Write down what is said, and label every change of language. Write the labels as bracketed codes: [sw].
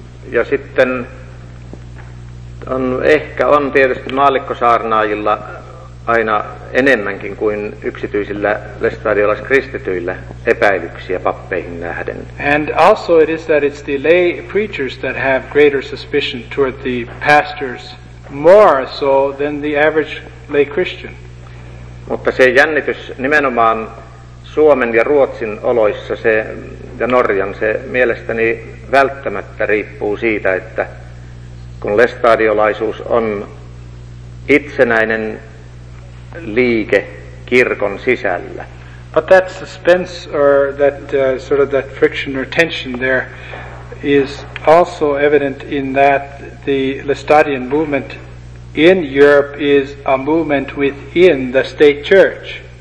[fi] Ja sitten on tietysti maallikkosaarnaajilla aina enemmänkin kuin yksityisillä lestadiolaiskristityillä epäilyksiä pappeihin nähden. [en] And also it is that it's the lay preachers that have greater suspicion toward the pastors more so than the average lay Christian. [fi] Mutta se jännitys nimenomaan Suomen ja Ruotsin oloissa se ja Norjan, se mielestäni välttämättä riippuu siitä, että kun lestadiolaisuus on itsenäinen liike kirkon sisällä. [en] But that suspense or that sort of that friction or tension there is also evident in that the Lestadian movement in Europe is a movement within the state church.